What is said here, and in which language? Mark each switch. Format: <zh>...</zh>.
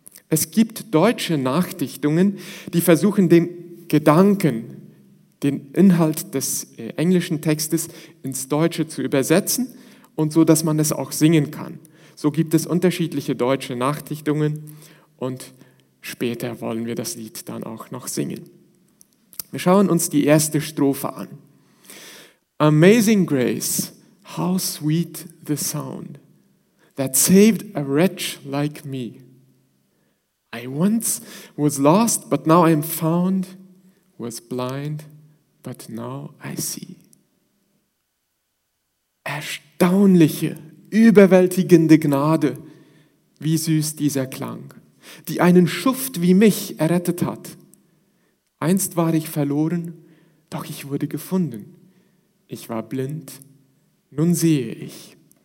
<de>Es gibt deutsche Nachdichtungen, die versuchen, den Gedanken, den Inhalt des englischen Textes ins Deutsche zu übersetzen und so, dass man es auch singen kann. So gibt es unterschiedliche deutsche Nachdichtungen und später wollen wir das Lied dann auch noch singen. Wir schauen uns die erste Strophe an.</de> <en>Amazing Grace, how sweet the sound that saved a wretch like me. I once was lost, but now I am found, was blind, but now I see.</en> <de>Erstaunliche, überwältigende Gnade, wie süß dieser Klang, die einen Schuft wie mich errettet hat. Einst war ich verloren, doch ich wurde gefunden. Ich war blind, nun sehe ich.</de>